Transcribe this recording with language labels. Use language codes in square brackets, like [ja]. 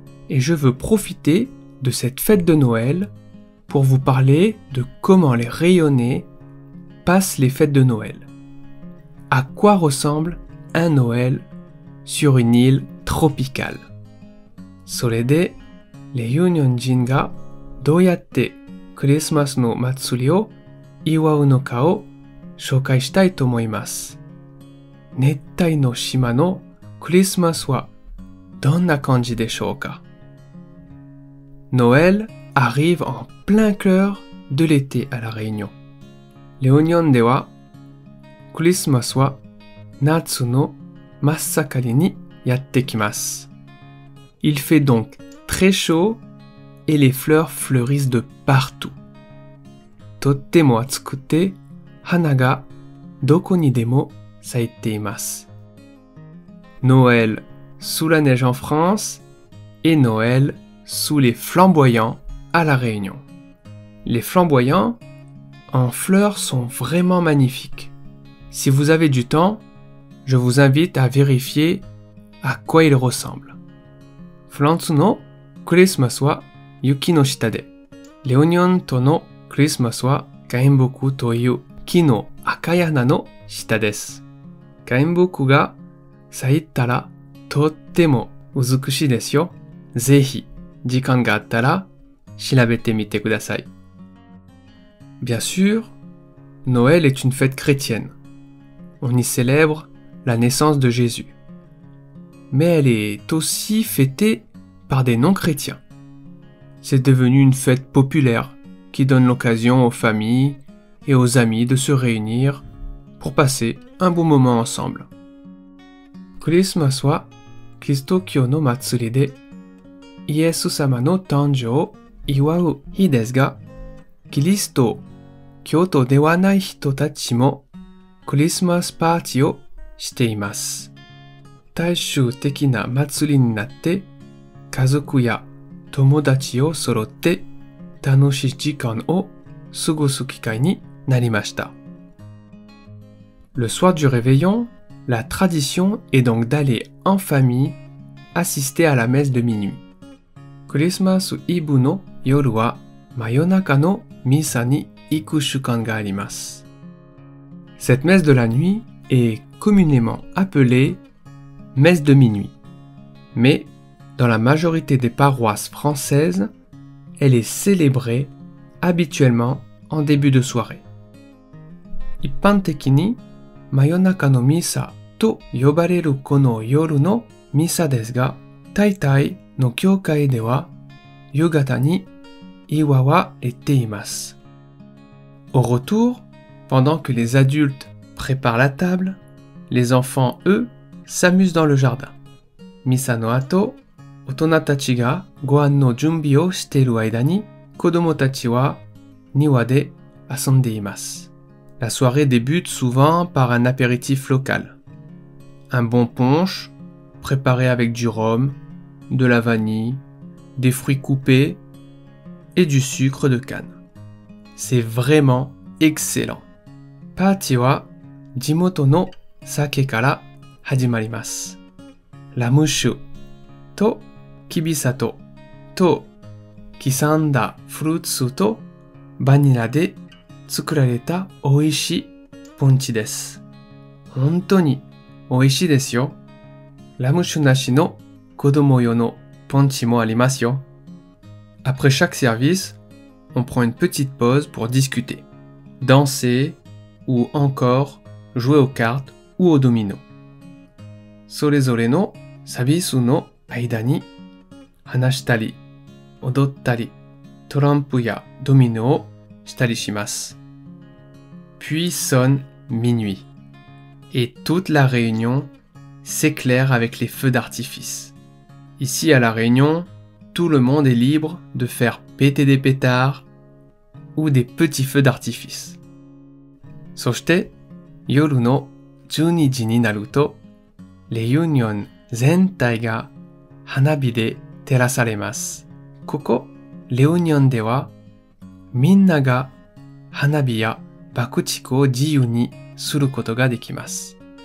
[fr] Et je veux profiter de cette fête de Noël pour vous parler de comment les Réunionnais passent les fêtes de Noël. À quoi ressemble un Noël sur une île tropicale. [ja] それで、レユニオン人がどうやってクリスマスの祭りを祝うのかを紹介したいと思います。熱帯の島のクリスマスはどんな感じでしょうか? [fr] Noël arrive en plein cœur de l'été à la Réunion. [ja] レユニオンではクリスマスは夏の真っ盛りにやってきます。 [fr] Il fait donc très chaud et les fleurs fleurissent de partout. [ja] とっても暑くて花がどこにでも咲いています。 [fr] Noël sous la neige en France et Noël sous les flamboyants à la Réunion. Les flamboyants en fleurs sont vraiment magnifiques. Si vous avez du temps,Je vous invite à vérifier à quoi il ressemble. [ja] フランスのクリスマスは雪の下で、レオニオンとのクリスマスは原木という木の赤い花の下です。原木が咲いたらとっても美しいですよ。ぜひ時間があったら調べてみてください。 [fr] Bien sûr, Noël est une fête chrétienne. On y célèbreLa naissance de Jésus. Mais elle est aussi fêtée par des non-chrétiens. C'est devenu une fête populaire qui donne l'occasion aux familles et aux amis de se réunir pour passer un bon moment ensemble. [ja] Christmas wa Kristo kyō no matsuri de Iesu sama no tanjō o iwau hi desu ga Kristo kyō to dewa nai hito tachi mo Christmas party oしています。大衆的な祭りになって、家族や友達を揃って楽しい時間を過ごす機会になりました。 [fr] Le soir du réveillon, la tradition est donc d'aller en famille assister à la messe de minuit. [ja] クリスマスイブの夜は真夜中のミサに行く習慣があります。 [fr] Cette messe de la nuit est communément appelée messe de minuit. Mais dans la majorité des paroisses françaises, elle est célébrée habituellement en début de soirée. [ja] 一般的に真夜中のミサと呼ばれるこの夜のミサですが、大体の教会では夕方に祝われています。 [fr] Au retour, pendant que les adultes préparent la table, les enfants, eux, s'amusent dans le jardin. [ja] ミサの後、大人たちがご飯の準備をしている間に、子供たちは庭で遊んでいます。 [fr] La soirée débute souvent par un apéritif local. Un bon punch, préparé avec du rhum, de la vanille, des fruits coupés et du sucre de canne. C'est vraiment excellent. [ja] パーティーは地元の酒から始まります。ラム酒とキビサトと刻んだフルーツとバニラで作られた美味しいポンチです。本当に美味しいですよ。ラム酒なしの子供用のポンチもありますよ。 [fr] Après chaque service, on prend une petite pause pour discuter, danser ou encore jouer aux cartes ou au domino. [ja] それぞれのサービスの間に話したり、踊ったり、トランプやドミノをしたりします。 [fr] Puis sonne minuit. Et toute la réunion s'éclaire avec les feux d'artifice. Ici à la réunion, tout le monde est libre de faire péter des pétards ou des petits feux d'artifice. [ja] そして、夜の12時になると、レユニオン全体が花火で照らされます。ここ、レユニオンでは、みんなが花火や爆竹を自由にすることができます。